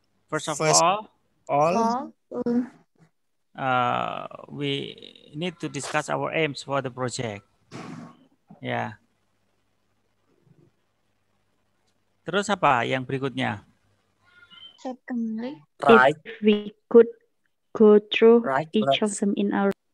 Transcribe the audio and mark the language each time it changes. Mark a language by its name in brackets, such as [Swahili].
[English] First of all, we need to discuss our aims for the project. Yeah. [Indonesian] Terus apa yang berikutnya? [English] Secondly, if we could go through each of them in our